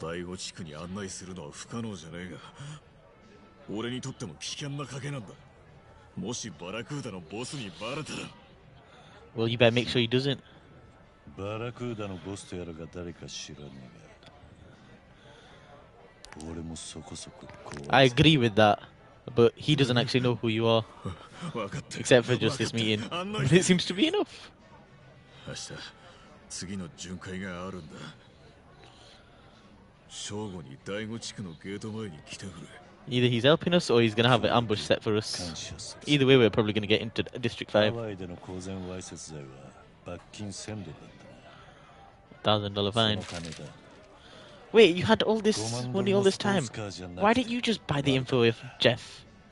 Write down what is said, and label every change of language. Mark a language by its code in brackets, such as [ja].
[ja] 第五地区に案内するのは不可能じゃねえが、俺にとっても危険な賭けなんだ。もしバラクーダのボスにバレたら。 [en] Well, you better make sure he doesn't. [ja] バラクーダのボスとやらが誰か知らねえが。俺もそこそこ怖い。 [en] I agree with that, but he doesn't actually know who you are. Except for just this meeting. But it seems to be enough. [ja] 明日、次の巡回があるんだ。正午に第五地区のゲート前に来てくれ。 [en] Either he's helping us or he's going to have an ambush set for us. Either way, we're probably going to get into District 5. $1,000 fine. Wait, you had all this money all this time? Why didn't you just buy the info with Jeff?